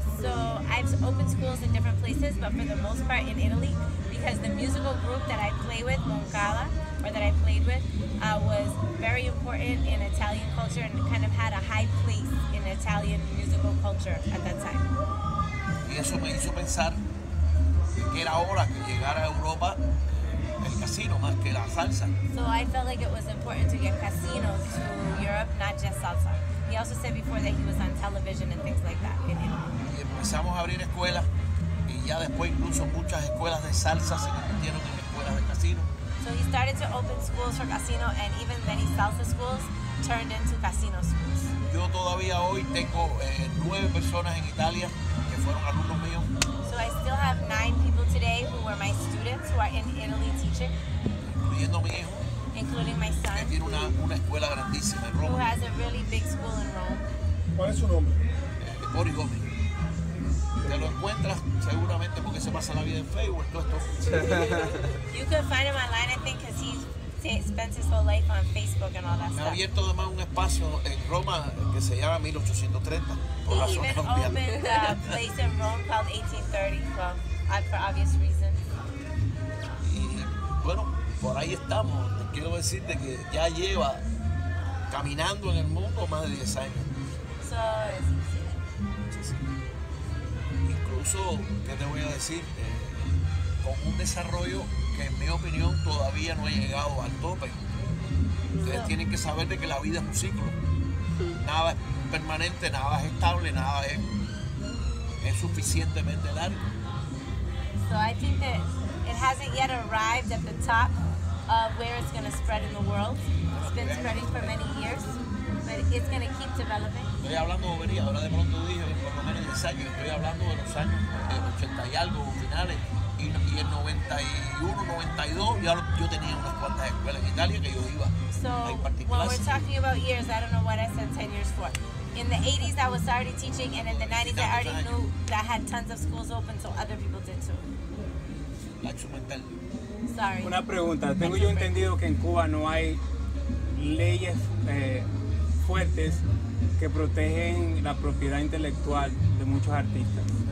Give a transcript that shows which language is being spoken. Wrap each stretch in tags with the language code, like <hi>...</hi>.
<en>So I've opened schools in different places, but for the most part in Italy, because the musical group that I play with, Moncala, or that I played with, was very important in Italian culture and kind of had a high place in Italian musical culture at that time.</en> <es>Y eso me hizo pensar que era hora que llegara a Europa el casino más que la salsa.</es> <en>So I felt like it was important to get casino to Europe, not just salsa. He also said before that he was on television and things like that in Italy.</en> <es>Y empezamos a abrir escuelas y ya después incluso muchas escuelas de salsa se convirtieron en escuelas de casino.</es> <en>So he started to open schools for casino and even many salsa schools turned into casino schools.</en> <es>Yo todavía hoy tengo 9 personas en Italia que fueron alumnos míos.</es> <en>So I still have 9 people today who were my students who are in Italy teaching.</en> <es>Incluyendo mi hijo.</es> <en>Including my son.</en> <es>Que tiene una escuela grandísima en Roma.</es> <en>Who has a really big school in Rome.</en> <es>¿Cuál es su nombre? Boris Gómez. Te lo encuentras seguramente porque se pasa la vida en Facebook, todo esto.</es> <en>You can find him online, I think, because he spends his whole life on Facebook and all that stuff.</en> <es>Me ha abierto además un espacio en Roma que se llama 1830.</es> <en>Por he even opened a place in Rome called 1830, for obvious reasons.</en> <es>Y bueno, por ahí estamos. Quiero decirte que ya lleva caminando en el mundo más de 10 años.</es> <en>So,</en> <es>incluso, ¿qué te voy a decir? Con un desarrollo que en mi opinión todavía no ha llegado al tope. Ustedes tienen que saber de que la vida es un ciclo. Nada es permanente, nada es estable, nada es suficientemente largo.</es> <en>So I think that it hasn't yet arrived at the top of where it's going to spread in the world. It's been spreading for many years, but it's going to keep developing.</en> <es>Estoy hablando de bobería, ahora de pronto dije, por lo menos 10 años, estoy hablando de los años 80 y algo, finales, y en 91, 92, yo tenía unas cuantas escuelas en Italia que yo iba.</es> <en>So, when we're talking about years, I don't know what I said 10 years for. In the 80s, I was already teaching, and in the 90s, I already knew that I had tons of schools open, so other people did too.</en> <es>Lacho mental.</es> <en>Sorry.</en> <es>Una pregunta, tengo yo entendido que en Cuba no hay leyes fuertes que protegen la propiedad intelectual de muchos artistas.</es>